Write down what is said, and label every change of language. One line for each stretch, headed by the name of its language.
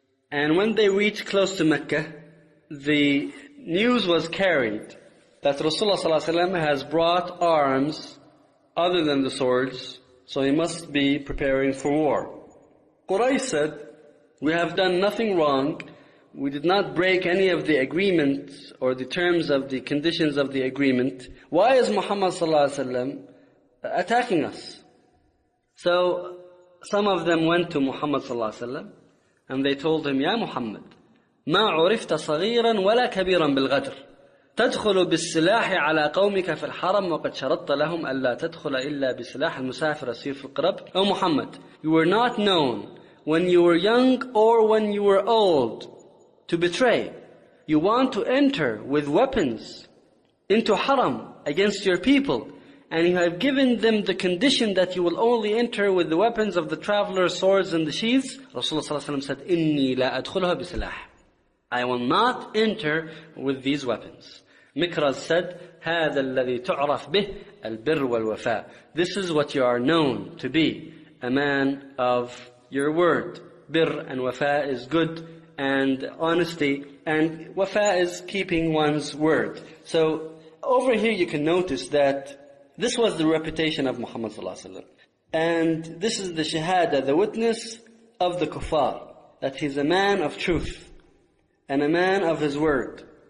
English: And when they reached close to Mecca, the news was carried that Rasulullah sallallahu alayhi wa sallam has brought arms other than the swords, so he must be preparing for war. Quraysh said, we have done nothing wrong. We did not break any of the agreement or the terms of the conditions of the agreement. Why is Muhammad sallallahu alayhi wa sallam attacking us? So some of them went to Muhammad sallallahu alayhi wa sallam, and they told him,
Arabic: Ya Muhammad, مَا عُرِفْتَ صَغِيرًا وَلَا كَبِيرًا بِالْغَدْرِ تَدْخُلُ بِالسِّلَاحِ عَلَى قَوْمِكَ فِي الْحَرَمِ وَقَدْ شَرَطَّ لَهُمْ أَلَّا تَدْخُلَ إِلَّا بِسِلَاحِ الْمُسَافِرَ السِّيرِ فِي الْقِرَبِ.
English: O Muhammad, you were not known when you were young or when you were old to betray. You want to enter with weapons into haram against your people, and you have given them the condition that you will only enter with the weapons of the traveler, swords and the sheaths. Rasulullah ﷺ said,
Arabic: إِنِّي لَا أَدْخُلُهَا بِسِلَاحٍ.
English: I will not enter with these weapons. Mikraz said,
Arabic: هَذَا الَّذِي تُعْرَفْ بِهِ الْبِرْ وَالْوَفَاءِ.
English: This is what you are known to be, a man of your word. Birr and wafa is good and honesty, and wafa is keeping one's word. So over here you can notice that this was the reputation of Muhammad sallallahu alaihi wasallam, and this is the shahada, the witness of the kuffar, that he's a man of truth and a man of his word.